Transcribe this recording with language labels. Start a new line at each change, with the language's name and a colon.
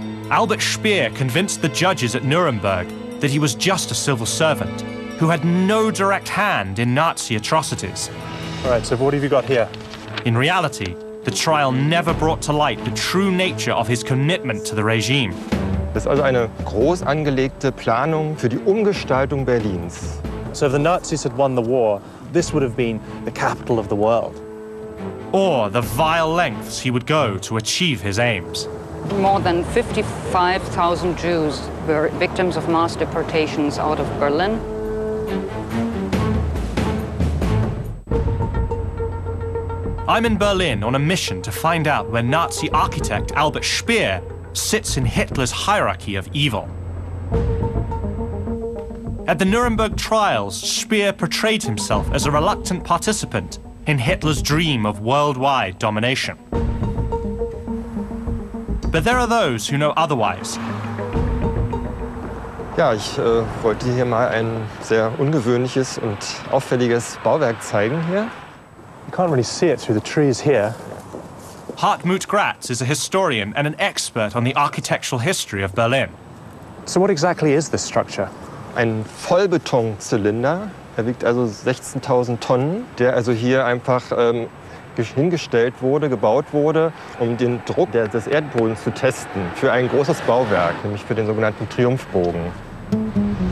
English: Albert Speer convinced the judges at Nuremberg that he was just a civil servant who had no direct hand in Nazi atrocities. All right, so what have you got here? In reality, the trial never brought to light the true nature of his commitment to the regime.
German: Das ist also eine groß angelegte Planung für die Umgestaltung Berlins.
English: So if the Nazis had won the war, this would have been the capital of the world. Or the vile lengths he would go to achieve his aims. More than 55,000 Jews were victims of mass deportations out of Berlin. I'm in Berlin on a mission to find out where Nazi architect Albert Speer sits in Hitler's hierarchy of evil. At the Nuremberg trials, Speer portrayed himself as a reluctant participant in Hitler's dream of worldwide domination. But there are those who know otherwise.
German: Ja, ich wollte hier mal ein sehr ungewöhnliches und auffälliges Bauwerk zeigen hier.
English: You can't really see it through the trees here. Hartmut Gratz is a historian and an expert on the architectural history of Berlin. So what exactly is this structure?
German: Ein Vollbetonzylinder, wiegt also 16.000 Tonnen, der also hier einfach hingestellt wurde, gebaut wurde, um den Druck des Erdbodens zu testen für ein großes Bauwerk, nämlich für den sogenannten Triumphbogen.